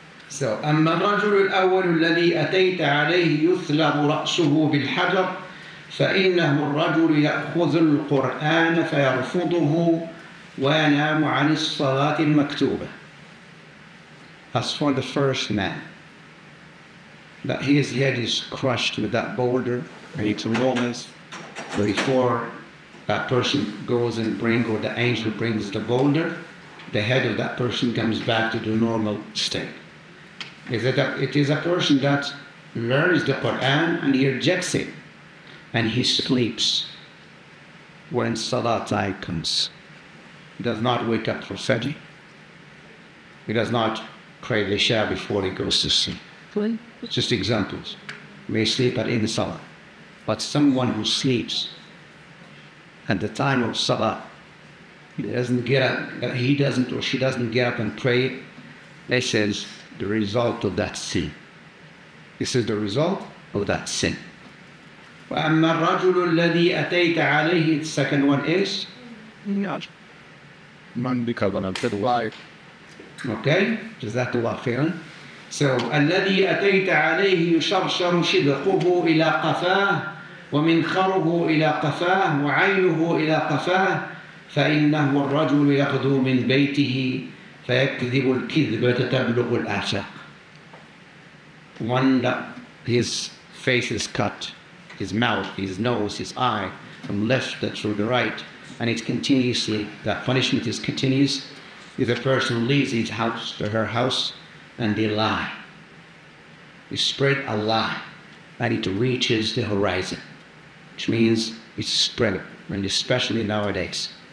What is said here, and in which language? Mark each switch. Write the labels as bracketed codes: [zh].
[ar] So, أما الرجل الأول الذي أتيت عليه يثلب رأسه بالحجر فإنه الرجل يأخذ القرآن فيرفضه وينام عن الصلاة المكتوبة. [en] That's for the first man. That his head is crushed with that boulder. Right. It's enormous. Before that person goes and brings, or the angel brings the boulder, the head of that person comes back to the normal state. It is a person that learns the Quran and he rejects it. And he sleeps when Salat comes. He does not wake up for Fajr. He does not pray the Isha before he goes to sleep. Just examples. May sleep at any Salat. But someone who sleeps at the time of Salat, he doesn't or she doesn't get up and pray, this is the result of that sin. This is the result of that sin. [ar] وأما الرجل الذي أتيت عليه, [en] the second one is من بكبرت الواي. [ar] Okay, جزاك الله خيرا. So الذي أتيت عليه يشرشر شدقه إلى قفاه ومنخره إلى قفاه وعينه إلى قفاه فإنه الرجل يغدو من بيته فيكذب الكذبة تبلغ الآفاق. [en] One that his face is cut, his mouth, his nose, his eye, from left to the right, and it's continuously, that punishment is continuous. If a person leaves his house to her house and they lie, they spread a lie, and it reaches the horizon, which means it's spreading, and especially nowadays.